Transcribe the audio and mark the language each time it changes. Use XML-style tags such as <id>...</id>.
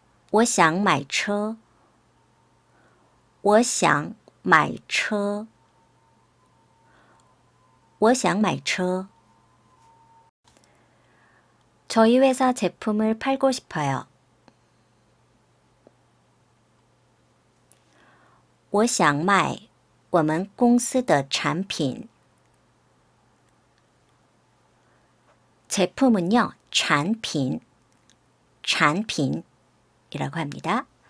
<zh>我想买车.我想买车. 我想买车.</zh> <ko>저희 회사 제품을 팔고 싶어요.</ko> <zh>我想卖 我们公司的产品.</zh> <ko>제품은요, 产品, 产品이라고 합니다.</ko>